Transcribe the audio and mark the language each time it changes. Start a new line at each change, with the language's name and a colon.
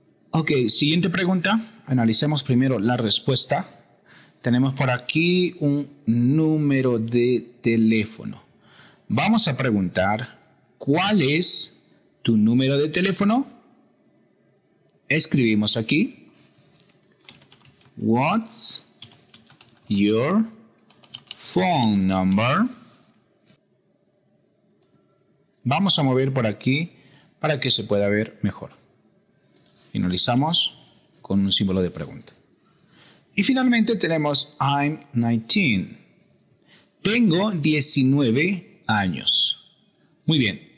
Spanish: Ok, siguiente pregunta. Analicemos primero la respuesta. Tenemos por aquí un número de teléfono. Vamos a preguntar, ¿cuál es tu número de teléfono? Escribimos aquí.
English: What's your phone number?
Spanish: Vamos a mover por aquí para que se pueda ver mejor. Finalizamos con un símbolo de pregunta. Y finalmente tenemos
English: I'm 19.
Spanish: Tengo 19 años. Muy bien.